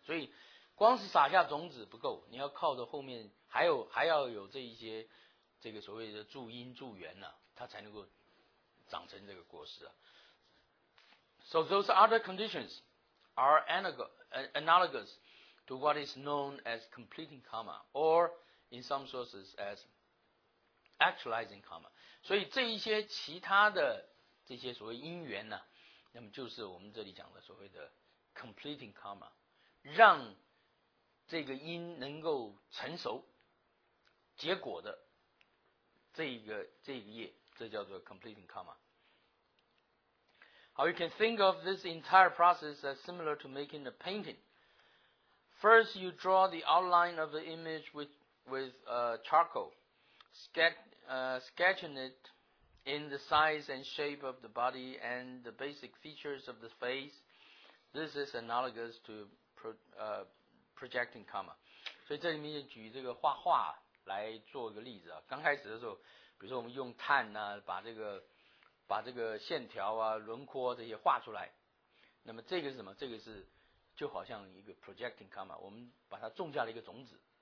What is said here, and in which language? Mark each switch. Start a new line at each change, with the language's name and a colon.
Chinese: 所以光是撒下种子不够，你要靠着后面还要有这一些这个所谓的助因助缘啊，它才能够长成这个果实啊。
English: So those other conditions are analogous to what is known as completing karma, or in some sources as actualizing karma.
Chinese: 所以这一些其他的这些所谓因缘呢，那么就是我们这里讲的所谓的 completing karma, 让这个因能够成熟结果的这个业，这叫做 completing karma。
English: Or you can think of this entire process as similar to making a painting. First, you draw the outline of the image with charcoal, sketching it in the size and shape of the body and the basic features of the face. This is analogous to projecting karma.
Chinese: 所以这里面就举这个画画来做个例子啊。刚开始的时候，比如说我们用碳呢、啊，把这个线条啊、轮廓这些画出来，那么这个是什么？这个是就好像一个 projecting karma， 我们把它种下了一个种子。